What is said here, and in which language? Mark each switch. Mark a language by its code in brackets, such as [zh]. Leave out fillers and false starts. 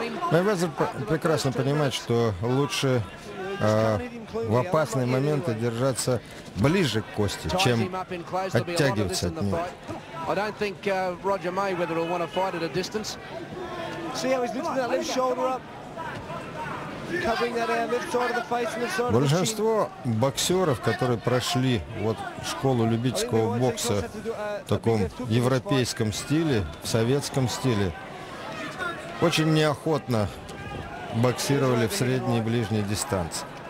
[ru] Мейвезер прекрасно понимает, что лучше в опасные моменты держаться ближе к Косте, чем оттягиваться от него. [en] I don't think Roger Mayweather will want to fight at a distance. See how he's lifting that left shoulder up, covering that left side of the face and the side of the chin. [ru] Большинство боксеров, которые прошли вот школу любительского бокса в таком европейском стиле, в советском стиле, очень неохотно боксировали в средней и ближней дистанции.